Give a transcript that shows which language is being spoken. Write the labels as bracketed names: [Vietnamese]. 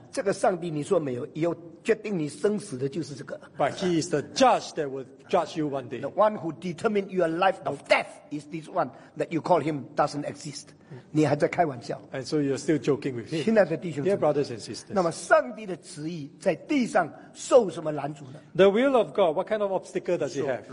[Chinese] 这个上帝你说没有，以后决定你生死的就是这个。 [English] But he is the judge that will judge you one day. The one who determines your life of death is this one that you call him doesn't exist. [Chinese] 你还在开玩笑。 [English] And so you're still joking with him. [Chinese] 亲爱的弟兄姊妹。 [English] Dear brothers and sisters. [Chinese] 那么上帝的旨意在地上受什么拦阻呢？ [English] The will of God, what kind of obstacle does he have?